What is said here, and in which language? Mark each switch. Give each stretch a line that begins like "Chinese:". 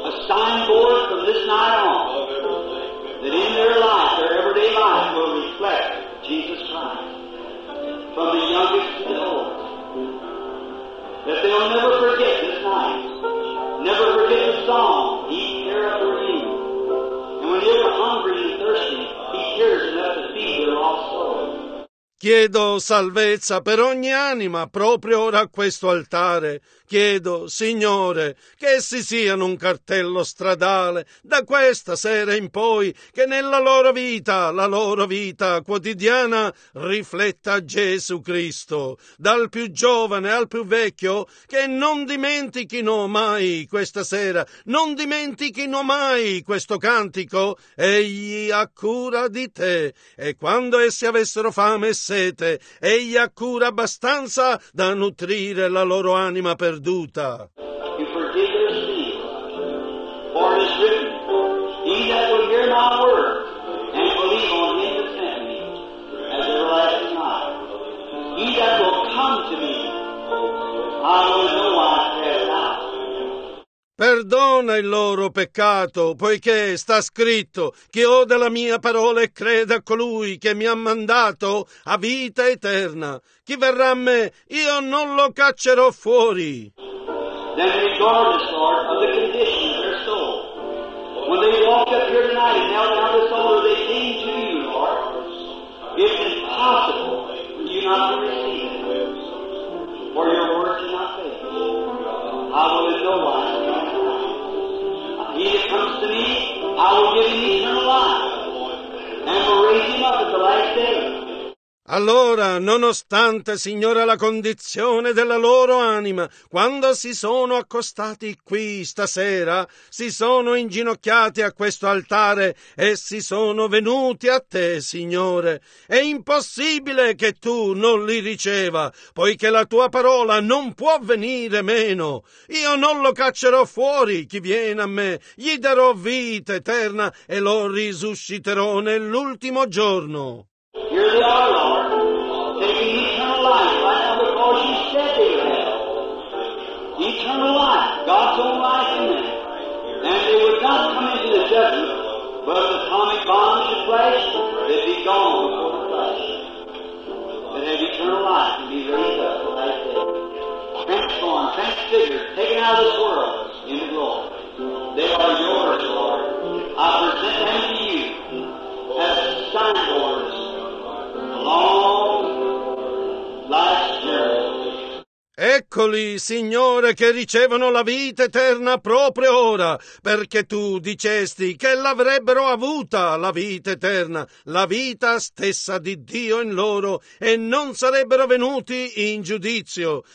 English: Signboard from this night on, that in their life, their everyday life, will reflect Jesus Christ, from the youngest to the oldest. That they'll never forget this night, never forget the song, He careth for you. And when they're hungry and thirsty, He cares enough to feed their lost soul.
Italian: Chiedo salvezza per ogni anima proprio ora a questo altare. Chiedo, Signore, che essi siano un cartello stradale da questa sera in poi, che nella loro vita, la loro vita quotidiana, rifletta Gesù Cristo, dal più giovane al più vecchio, che non dimentichino mai questa sera, non dimentichino mai questo cantico, Egli ha cura di te, e quando essi avessero fame e sete, Egli ha cura abbastanza da nutrire la loro anima per duta.
English: You forgive their sin, for it is written, he that will hear my word and believe on him that sent me has everlasting life. He that will come to me, I will in no wise cast out.
Italian: Perdona il loro peccato, poiché sta scritto, chi ode la mia parola e crede a colui che mi ha mandato a vita eterna. Chi verrà a me, io non lo caccerò fuori.
English: Then regardless, Lord, of the condition of their soul, when they walk up here tonight and now down this altar, they came to you, Lord, it's impossible for you not to receive it, for your word is not faithful. I will in no wise. He that comes to me, I will give him eternal life, and will raise him up at the last day.
Italian: Allora, nonostante, Signore, la condizione della loro anima, quando si sono accostati qui stasera, si sono inginocchiati a questo altare e si sono venuti a te, Signore, è impossibile che tu non li riceva, poiché la tua parola non può venire meno. Io non lo caccerò fuori chi viene a me, gli darò vita eterna e lo risusciterò nell'ultimo giorno.
English: Here they are, Lord, taking eternal life right now because you said they would have. Eternal life, God's own life in them. And they would not come into the judgment, but the atomic bonds of flesh, they'd be gone before the flesh. They'd have eternal life and be raised up for that day. Transformed, transfigured, taken out of this world into glory. They are yours, Lord. I present them to you as signboards. All life.
Italian: Eccoli, Signore, che ricevono la vita eterna proprio ora, perché tu dicesti che l'avrebbero avuta la vita eterna, la vita stessa di Dio in loro, e non sarebbero venuti in giudizio.